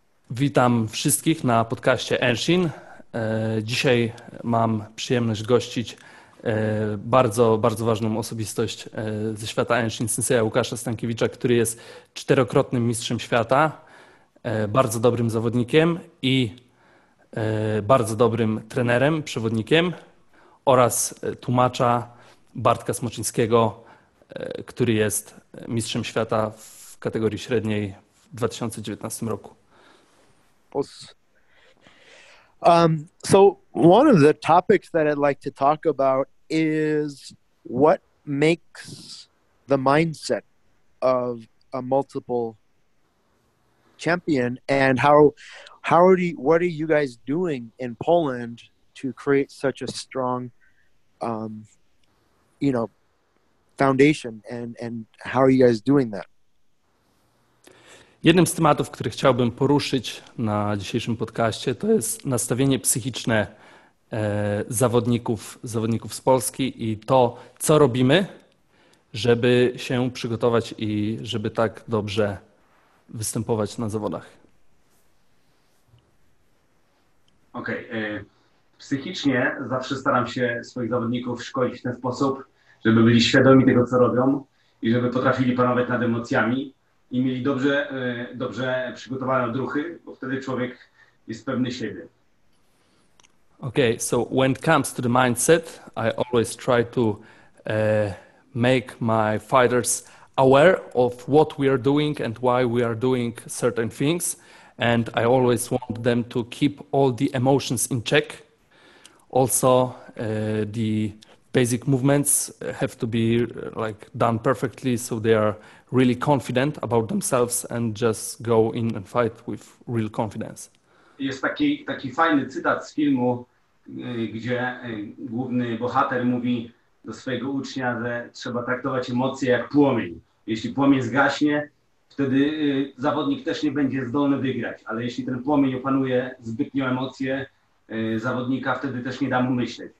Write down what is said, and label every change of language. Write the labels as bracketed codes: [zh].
[pl] Witam wszystkich na podcaście Enshin. Dzisiaj mam przyjemność gościć bardzo, bardzo ważną osobistość ze świata Enshin, Sensei Łukasza Stankiewicza, który jest czterokrotnym mistrzem świata, bardzo dobrym zawodnikiem i bardzo dobrym trenerem, przewodnikiem oraz tłumacza Bartka Smoczyńskiego, który jest mistrzem świata w kategorii średniej w 2019 roku. [en] So one of the topics that I'd like to talk about is what makes the mindset of a multiple champion, and what are you guys doing in Poland to create such a strong, foundation, and how are you guys doing that? [pl] Jednym z tematów, który chciałbym poruszyć na dzisiejszym podcaście, to jest nastawienie psychiczne zawodników z Polski i to, co robimy, żeby się przygotować i żeby tak dobrze występować na zawodach. Okej. Psychicznie zawsze staram się swoich zawodników szkolić w ten sposób, żeby byli świadomi tego, co robią i żeby potrafili panować nad emocjami i mieli dobrze przygotowane odruchy, bo wtedy człowiek jest pewny siebie. [en] Okay, so when it comes to the mindset, I always try to make my fighters aware of what we are doing and why we are doing certain things. And I always want them to keep all the emotions in check. Also, the basic movements have to be done perfectly, so they are really confident about themselves and just go in and fight with real confidence. [pl] Jest taki fajny cytat z filmu, gdzie główny bohater mówi do swojego ucznia, że trzeba traktować emocje jak płomień. Jeśli płomień zgaśnie, wtedy zawodnik też nie będzie zdolny wygrać, ale jeśli ten płomień opanuje zbytnio emocje zawodnika, wtedy też nie da mu myśleć.